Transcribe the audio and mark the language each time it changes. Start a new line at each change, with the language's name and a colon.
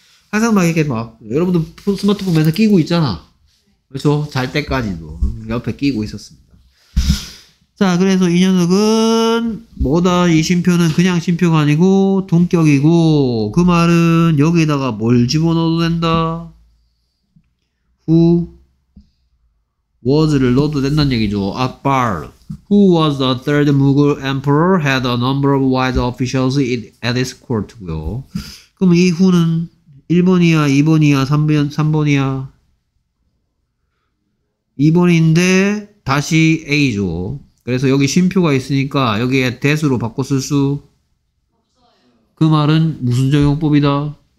Korean: 항상 막 이렇게 막 여러분들 스마트폰 맨날 끼고 있잖아. 그렇죠? 잘 때까지도 옆에 끼고 있었습니다. 자, 그래서 이 녀석은 뭐다? 이 쉼표는 그냥 쉼표가 아니고 동격이고, 그 말은 여기다가 뭘 집어넣어도 된다. Who was를 넣어도 된다는 얘기죠.
English: Akbar, who was the third Mughal emperor, had a number of wise officials at his court고요.
Korean: 그럼 이 who는 1번이야, 2번이야, 3번이야? 2번인데 다시 A죠. 그래서 여기 쉼표가 있으니까 여기에 대수로 바꿔 쓸 수 그 말은 무슨 적용법이다?